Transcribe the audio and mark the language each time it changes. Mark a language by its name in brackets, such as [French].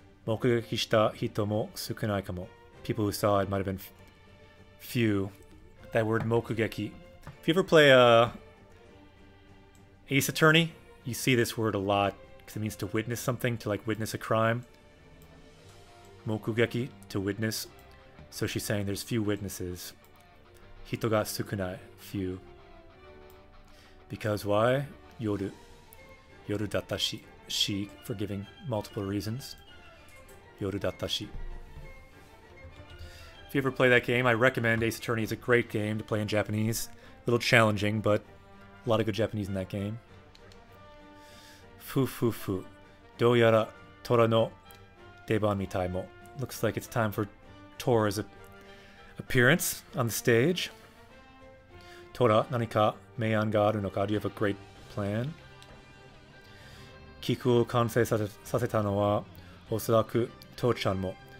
[Japanese] 目撃した人も少ないかも。 [English] People who saw it might have been few. That word 目撃. If you ever play Ace Attorney, you see this word a lot because it means to witness something, to like witness a crime. 目撃, to witness. So she's saying there's few witnesses. [Japanese] 人が少ない, [English] few. Because why? [Japanese] 夜.夜だったし. [English] She, for giving multiple reasons. [Japanese] 夜だったし. [English] If you ever play that game, I recommend Ace Attorney. It's a great game to play in Japanese. A little challenging, but a lot of good Japanese in that game. Fu fu fu. [Japanese] どうやら虎の出番みたいも. [English] Looks like it's time for Tora's appearance on the stage. Tora, [Japanese] 何か明暗があるのか? [English] Do you have a great plan? [Japanese] キクを完成させたのはおそらくTo chan mo.